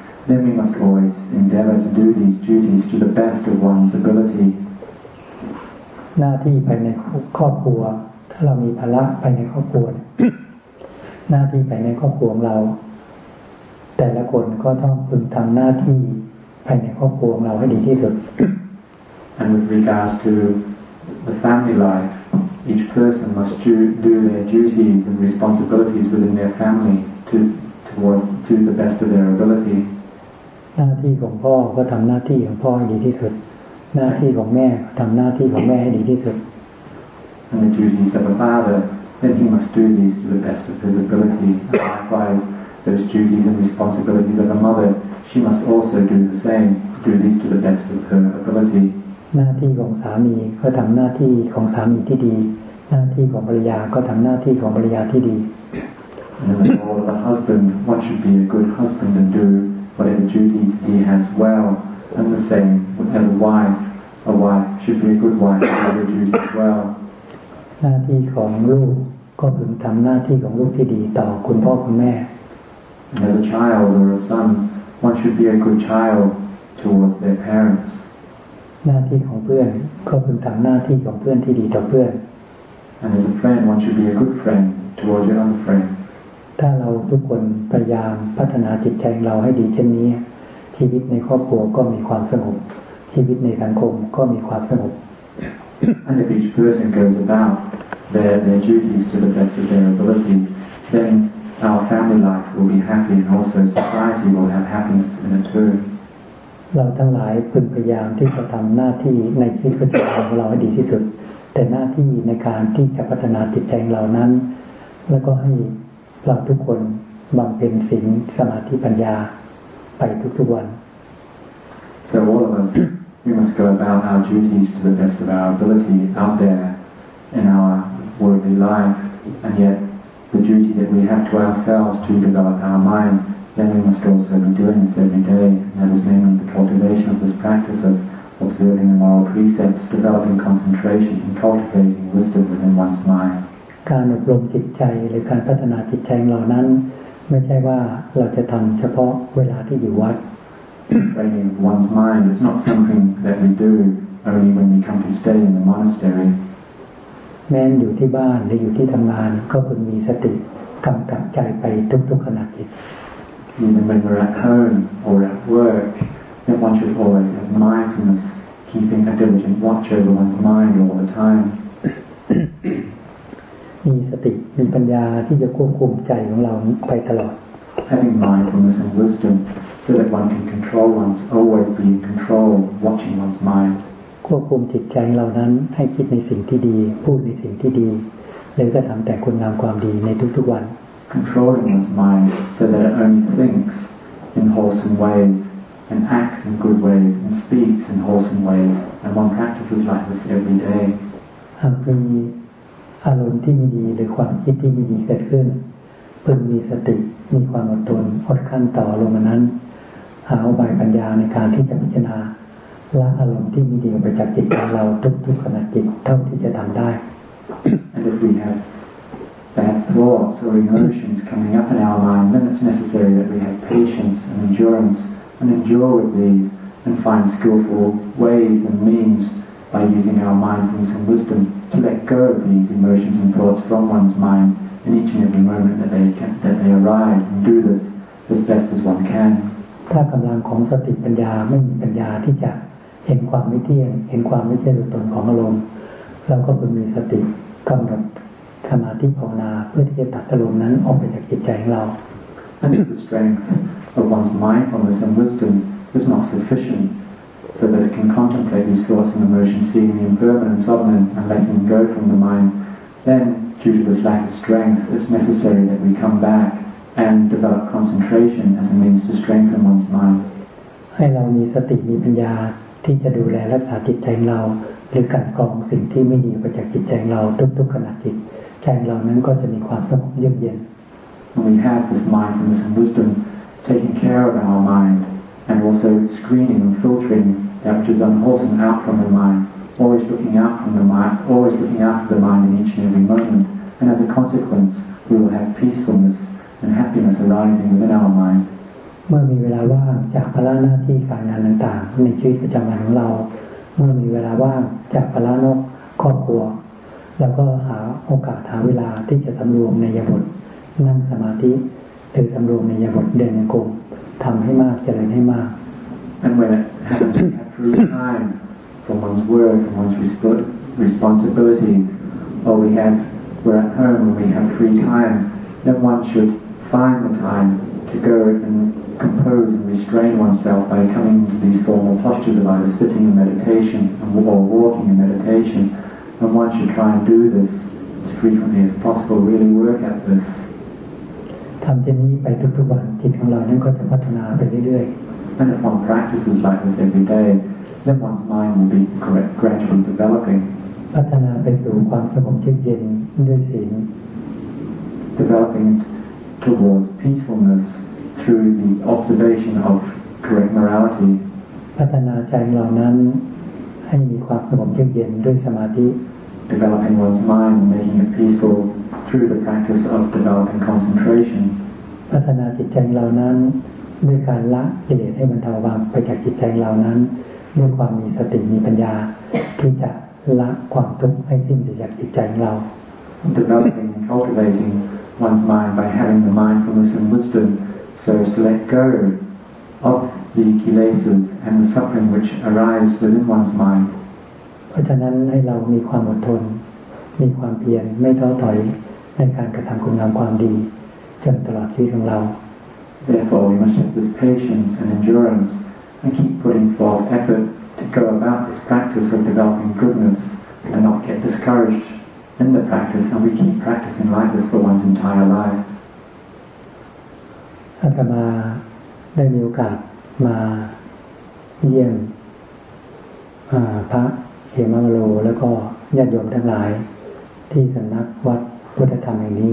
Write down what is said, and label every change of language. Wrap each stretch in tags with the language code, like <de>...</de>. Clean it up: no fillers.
<en>Then we must always endeavor to do these duties to the best of one's ability.</en> <th>หน้าที่ภายในครอบครัวถ้าเรามีภาระภายในครอบครัวหน้าที่ภายในครอบครัวของเราแต่ละคนก็ต้องพึงทำหน้าที่ภายในครอบครัวของเราให้ดีที่สุด</th> <en>And with regards to the family life. Each person must do their duties and responsibilities within their family to the best of their ability.</en> <th>หน้าที่ของพ่อก็ทำหน้าที่ของพ่อให้ดีที่สุดหน้าที่ของแม่ก็ทำหน้าที่ของแม่ให้ดีที่สุด</th> <en>And the duties of a father, then he must do these to the best of his ability. And likewise, those duties and responsibilities of a mother, she must also do the same, do these to the best of her ability.</en> <th>หน้าที่ของสามีก็ทำหน้าที่ของสามีที่ดีหน้าที่ของภรรยาก็ทำหน้าที่ของภรรยาที่ดี</th> <en>The husband, what should be a good husband and do whatever duties he has well, and the same as a wife should be a good wife and do duties well.</en> <th>หน้าที่ของลูกก็พึงทำหน้าที่ของลูกที่ดีต่อคุณพ่อคุณแม่</th> <en>As a child or a son, one should be a good child towards their parents.</en> <th>หน้าที่ของเพื่อนก็พึงทำหน้าที่ของเพื่อนที่ดีต่อเพื่อน</th> <en>And as a friend, one should be a good friend towards your own friend.</en> <th>ถ้าเราทุกคนพยายามพัฒนาจิตใจเราให้ดีเช่นนี้ชีวิตในครอบครัวก็มีความสงบชีวิตในสังคมก็มีความสงบ</th> <en>And if each person goes about their duties to the best of their ability, then our family life will be happy and also society will have happiness in it too.</en> <th>เราทั้งหลายพึงพยายามที่จะทำหน้าที่ในชีวิตประจำวันของเราให้ดีที่สุดแต่หน้าที่ในการที่จะพัฒนาจิตใจเรานั้นแล้วก็ให้เราทุกคนบำเพ็ญศีลสมาธิปัญญาไปทุกๆวัน</th> <en>So all of us we must go about our duties to the best of our ability out there in our worldly life and yet the duty that we have to ourselves to develop our mindThen we must also be doing this every day. That is namely the cultivation of this practice of observing the moral precepts, developing concentration, and cultivating wisdom within one's mind.</en> <th>การอบรมจิตใจหรือการพัฒนาจิตใจเรานั้นไม่ใช่ว่าเราจะทำเฉพาะเวลาที่อยู่วัด</th> <en>Training one's mind is not something that we do only when we come to stay in the monastery.</en> <th>แม้อยู่ที่บ้านหรืออยู่ที่ทำงานก็ควรมีสติกำกับใจไปทุกขณะจิต</th> <en>Even when we're at home or at work, then one should always have mindfulness, keeping a diligent watch over one's mind all the time.</en> <th>มีสติมีปัญญาที่จะควบคุมใจของเราไปตลอด</th> <en>having mindfulness and wisdom so that one can control one's always be in control watching one's mind</en> <th>ควบคุมจิตใจเรานั้นให้คิดในสิ่งที่ดีพูดในสิ่งที่ดีหรือก็ทำแต่คุณงามความดีในทุกๆวัน</th> <en>controlling one's mind so that it only thinks in wholesome waysand acts in good ways and speaks in wholesome ways and one practices like this every day</en> <th>พึงมีอารมณ์ที่ไม่ดีหรือความคิดที่ไม่ดีเกิดขึ้นพึงมีสติมีความอดทนอดกลั้นต่ออารมณ์นั้นหาอุบายปัญญาในการที่จะพิจารณาละอารมณ์ที่ไม่ดีออกไปจากจิตของเราทุกๆขณะจิตเท่าที่จะทำได้</th> <en>and if we have bad thoughts or emotions coming up in our mind then it's necessary that we have patience and endurance and endure with these and find skillful ways and means by using our mindfulness and wisdom to let go of these emotions and thoughts from one's mind in each and every moment that they can, that they arise and do this as best as one can</en> <th>ถ้ากำลังของสติปัญญาไม่มีปัญญาที่จะเห็นความไม่เที่ยงเห็นความไม่ใช่ตัวตนของอารมณ์เราก็ควรมีสติกำหนดสมาธิภาวนาเพื่อที่จะตัดอารมณ์นั้นออกไปจากจิตใจของเรา</th> <en>And if the strength of one's mindfulness and wisdom is not sufficient so that it can contemplate these thoughts and emotions, seeing the impermanence of them and letting them go from the mind, then due to this lack of strength, it's necessary that we come back and develop concentration as a means to strengthen one's mind.</en> <th>ให้เรามีสติมีปัญญาที่จะดูแลรักษาจิตใจเราหรือกันกรองสิ่งที่ไม่ดีไปจากจิตใจเราทุกๆขณะจิตใจเรานั้นก็จะมีความสงบเยือกเย็น</th> <en>When we have this mindfulness and wisdom taking care of our mind and also screening and filtering that which is unwholesome out from the mind, always looking out from the mind, always looking after the mind in each and every moment, and as a consequence, we will have peacefulness and happiness arising within our mind.</en> <th>เมื่อมีเวลาว่างจากภาระหน้าที่การงานต่างๆในชีวิตประจำวันของเราเมื่อมีเวลาว่างจากภาระนอกครอบครัวเราก็หาโอกาสหาเวลาที่จะสำรวมในยามบ่นนั่งสมาธิหรือสำรวมในยบทเดินในกรมทำให้มากเจริญให้มาก</th> <en>And when it happens we have free time from one's work and one's responsibilities or we have we're at home and we have free time then one should find the time to go and compose and restrain oneself by coming into these formal postures of either sitting in meditation or walking in meditation and one should try and do this as frequently as possible really work at this</en> <th>ทำเช่นนี้ไปทุกๆวันจิตของเรานั้นก็จะพัฒนาไปเรื่อย</th> <en>ๆ And if one practices like this every day, then one's mind will be gradually developing.</en> <th>พัฒนาไปสู่ความสงบเย็นด้วยศีล</th> <en>Developing towards peacefulness through the observation of correct morality.</en> <th>พัฒนาใจเรานั้นให้มีความสงบเย็นด้วยสมาธิ</th> <en>Developing one's mind and making it peacefulThrough the practice of developing concentration,</en> <th>พัฒนาจิตใจเรานั้นด้วยการละกิเลสให้มันเบาบางไปจากจิตใจเรานั้นด้วยความมีสติมีปัญญาที่จะละความทุกข์ให้สิ้นไปจากจิตใจเรา</th> <en>Developing and cultivating one's mind by having the mindfulness and wisdom so as to let go of the kilesas and the suffering which arise within one's mind.</en> <th>เพราะฉะนั้นให้เรามีความอดทนมีความเพียรไม่ท้อถอยในการกระทำคุณงามความดีจนตลอดชีวิตของเรา</th> <en>Therefore, we must have this patience and endurance and keep putting forth effort to go about this practice of developing goodness and not get discouraged in the practice and we keep practicing like this for one's entire life.</en> <th>อาตมาได้มีโอกาสมาเยี่ยมพระเขมมะโลแล้วก็ญาติโยมทั้งหลายที่สำนักวัดพุทธธรรมแห่งนี</th>